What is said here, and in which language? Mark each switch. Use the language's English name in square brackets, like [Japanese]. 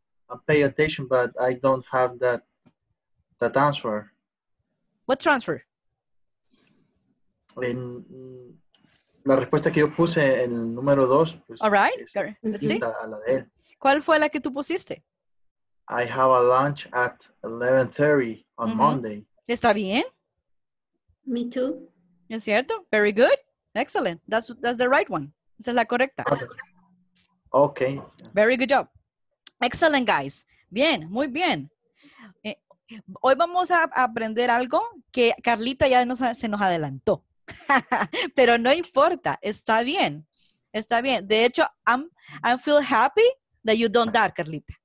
[English] I pay attention, but I don't have that transfer. What transfer? [Spanish] En la respuesta que yo puse en el número dos. Pues, [English] all right. Let's see. [Spanish] A la de él. ¿Cuál fue la que tú pusiste? [English] I have a lunch at 11:30 on Monday. [Spanish] ¿Está bien? [English] Me too. [Spanish] ¿Es cierto? [English] Very good. Excellent. That's the right one. [Spanish] Esa es la correcta. [English] Okay. Very good job. Excellent, guys. [Spanish] Bien, muy bien. Hoy vamos a aprender algo que Carlita ya se nos adelantó. Pero no importa. Está bien. Está bien. De hecho, [English] I feel happy that you don't dare, Carlita.